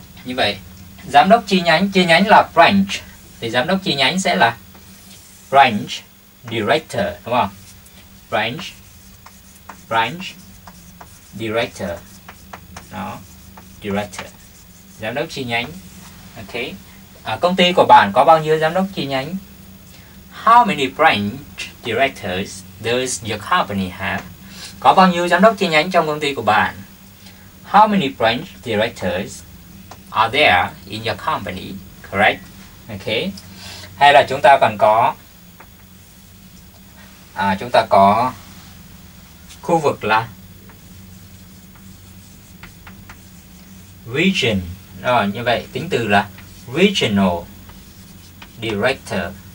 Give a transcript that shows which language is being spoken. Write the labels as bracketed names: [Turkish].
[Vietnamese] Như vậy, giám đốc chi nhánh là branch, thì giám đốc chi nhánh sẽ là branch director, đúng không? Branch director. Đó, director. Giám đốc chi nhánh. Ok. À, công ty của bạn có bao nhiêu giám đốc chi nhánh? [English] How many branch directors does your company have? [Vietnamese] Có bao nhiêu giám đốc chi nhánh trong công ty của bạn? [English] How many branch directors are there in your company? Correct. Ok. [Vietnamese] Hay là chúng ta còn có chúng ta có khu vực là region. Rồi, như vậy tính từ là regional director.